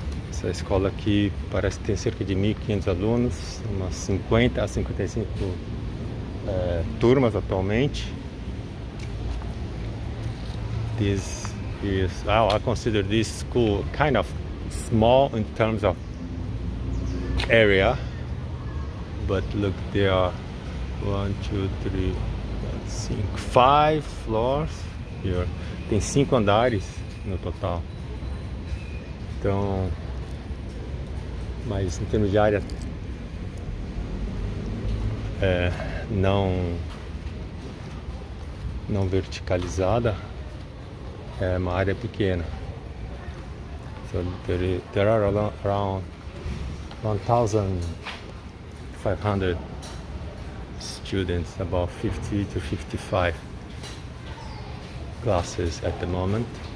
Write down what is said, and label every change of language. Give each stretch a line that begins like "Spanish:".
Portuguese: Essa escola aqui parece ter cerca de 1.500 alunos, umas 50 a 55 turmas atualmente.
English: This is, well, I consider this school kind of small in terms of area, but look, there are 5 floors here.
Portuguese: Tem 5 andares no total. Então, mas em termos de área, não verticalizada. É uma área pequena.
English: So there are around 1,500 students, about 50 to 55 classes at the moment.